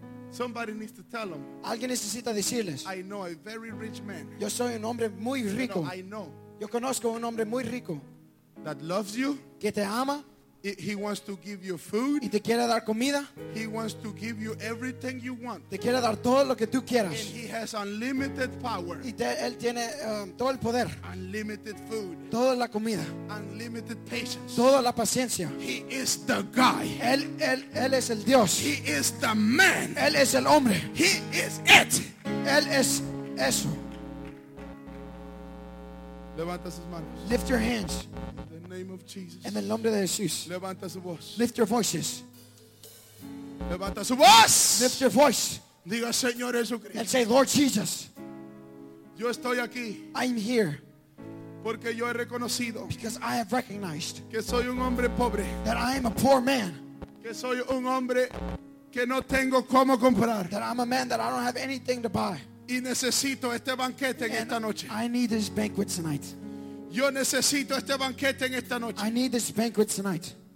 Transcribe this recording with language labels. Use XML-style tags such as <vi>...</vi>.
<en>Somebody needs to tell them.</en> <es>Alguien necesita decirles.</es> <en>I know a very rich man.</en> <es>Yo soy un hombre muy rico.</es> <en>I know.</en> <es>Yo conozco un hombre muy rico.</es> <en>That loves you.</en> <es>Que te ama.</es> <en>He wants to give you food.</en> <es>Y te quiere dar comida.</es> <en>He wants to give you everything you want.</en> <es>Te quiere dar todo lo que tú quieras.</es> <en>And he has unlimited power.</en> <es>Y él tiene todo el poder.</es> <en>Unlimited food.</en> <es>Toda la comida.</es> <en>Unlimited patience.</en> <es>Toda la paciencia.</es> <en>He is the guy.</en> <es>Él es el Dios.</es> <en>He is the man.</en> <es>Él es el hombre.</es> <en>He is it.</en> <es>Él es eso. Levanta sus manos.</es> <en>Lift your hands. Name of Jesus.</en> <es>En el nombre de Jesús. Levanta su voz.</es> <en>Lift your voices.</en> <es>Levanta su voz.</es> <en>Lift your voice.</en> <es>Diga Señor Jesucristo.</es> <en>And say, Lord Jesus.</en> <es>Yo estoy aquí.</es> <en>I'm here.</en> <es>Porque yo he reconocido.</es> <en>Because I have recognized.</en> <es>Que soy un hombre pobre.</es> <en>That I am a poor man.</en> <es>Que soy un hombre que no tengo cómo comprar.</es> <en>That I'm a man that I don't have anything to buy.</en> <es>Y necesito este banquete en esta noche.</es> <en>I need this banquet tonight.</en> <es>Yo necesito este banquete en esta noche.</es> <en>I need this banquet tonight.</en>